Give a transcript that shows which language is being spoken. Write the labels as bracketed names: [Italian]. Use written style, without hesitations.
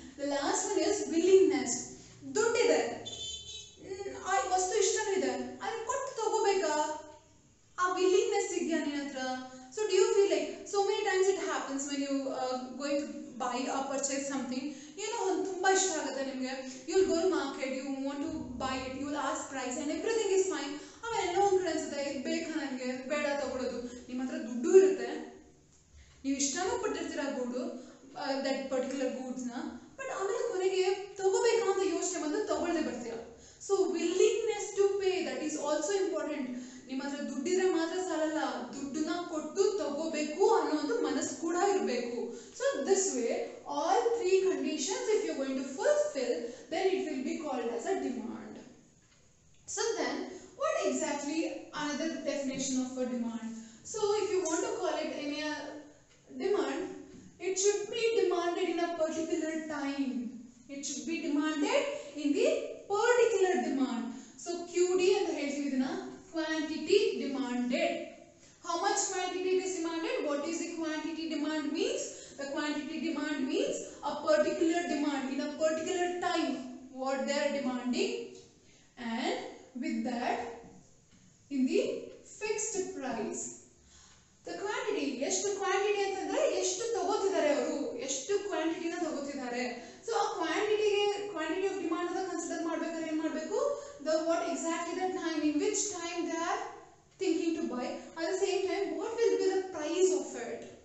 [English] The last one is willingness. [Kannada] ದುಡ್ಡಿದೆ, ಆ ವಸ್ತು ಇಷ್ಟವಿದೆ, ಅದನ್ನ ಕೊಟ್ಟು ತಗೋಬೇಕಾ? ಆ ವಿಲ್ಲಿಂಗ್ನೆಸ್ ಇದೆಯಾ ನಿನ್ನ ಹತ್ರ? [English] so do you feel like, so many times it happens when you going to buy a purchase something, [Kannada] ಏನೋ ಒಂದು ತುಂಬ ಇಷ್ಟ ಆಗುತ್ತೆ ನಿಮಗೆ, [English] You will go to market, you want to buy it, you will ask price and everything is fine. [Kannada] ಅವೆಲ್ಲ ಒಂದು ಅನ್ಸುತ್ತೆ ಇದು ಬೇಕಾ ನನಗೆ, ಬೇಡ ತಗೊಳ್ಳೋದು. ನಿಮ್ಮ ಹತ್ರ ದುಡ್ಡು ಇರುತ್ತೆ, ನೀವು ಇಷ್ಟನೂ ಪಟ್ಟಿರ್ತೀರ ಗೂಡು ದಟ್ ಪರ್ಟಿಕ್ಯುಲರ್ ಗೂಡ್ಸ್ನ, ಬಟ್ ಆಮೇಲೆ ಕೊನೆಗೆ ತಗೋಬೇಕಾ ಅಂತ ಯೋಚನೆ ಬಂದು ತಗೊಳ್ಳದೆ ಬರ್ತೀರ. [English] So willingness to pay, that is also important. [Kannada] ನಿಮ್ಮ ಹತ್ರ ದುಡ್ಡಿದ್ರೆ ಮಾತ್ರ ಸಾಲಲ್ಲ, ದುಡ್ಡನ್ನ ಕೊಟ್ಟು ತಗೋಬೇಕು ಅನ್ನೋ ಒಂದು ಮನಸ್ಸು ಕೂಡ ಇರಬೇಕು. [English] So this way all three conditions if you going to fulfil, then it will be called as a demand. So then what exactly another definition of a demand? So if you want to call it any demand, it should be demanded in a particular time. It should be demanded in the particular demand. So QD and the HD na quantity demanded. How much quantity is demanded? What is the quantity demand means? The quantity demand means a particular demand in a particular time, what they are demanding, and with that in the fixed price. [Kannada] The quantity, ಎಷ್ಟು quantity ಅಂತಂದ್ರೆ ಎಷ್ಟು ತಗೋತಿದ್ದಾರೆ ಅವರು, ಎಷ್ಟು ಕ್ವಾಂಟಿಟಿನ ತಗೋತಿದ್ದಾರೆ. So ಆ ಕ್ವಾಂಟಿಟಿಗೆ, quantity of demand ಅಂತ consider ಮಾಡ್ಬೇಕಾದ್ರೆ ಏನ್ ಮಾಡ್ಬೇಕು? [English] The what exactly the time in which time they are thinking to buy, at the same time what will be the price of it.